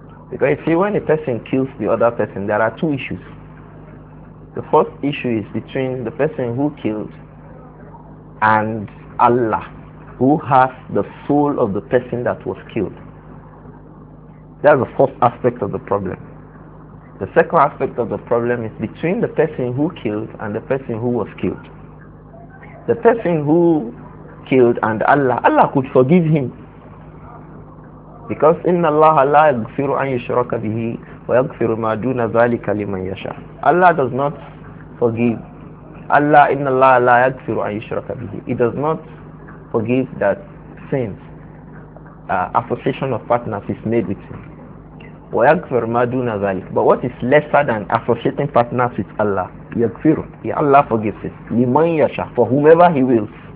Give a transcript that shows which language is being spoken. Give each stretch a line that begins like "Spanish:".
English: Because you see, when a person kills the other person, there are two issues. The first issue is between the person who killed and Allah, who has the soul of the person that was killed. That's the first aspect of the problem. The second aspect of the problem is between the person who killed and the person who was killed. The person who killed and Allah could forgive him. Because
Arabic: إِنَّ اللَّهَ لَا يَغْفِرُ أَن يُشْرَكَ بِهِ وَيَغْفِرُ مَا دُونَ ذَلِكَ لِمَنْ يَشَاءُ.
English: Allah does not forgive.
Arabic: Allah إِنَّ اللَّهَ لَا يَغْفِرُ أَن يُشْرَكَ بِهِ.
English: He does not forgive that sins, association of partners is made with him.
Arabic: وَيَغْفِرُ مَا دُونَ ذَلِكَ.
English: But what is lesser than associating partners with Allah?
Arabic: يَغْفِرُ.
English: Yeah, Allah forgives it.
Arabic: لِمَنْ يَشَاءُ.
English: For whomever he wills.